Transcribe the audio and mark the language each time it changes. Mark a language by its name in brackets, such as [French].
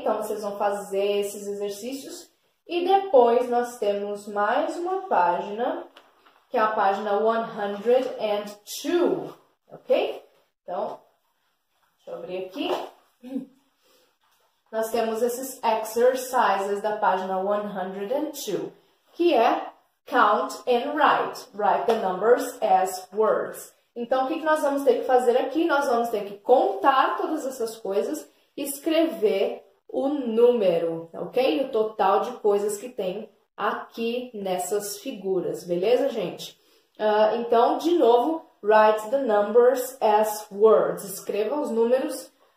[Portuguese] Então, vocês vão fazer esses exercícios. E depois, nós temos mais uma página, que é a página 102, ok? Então, deixa eu abrir aqui. Nós temos esses exercises da página 102, que é [English] count and write. Write the numbers as words. [Portuguese] Então, o que nós vamos ter que fazer aqui? Nós vamos ter que contar todas essas coisas e escrever o número, ok? O total de coisas que tem aqui nessas figuras, beleza, gente? Então, de novo, [English] write the numbers as words. [Portuguese] Escreva os números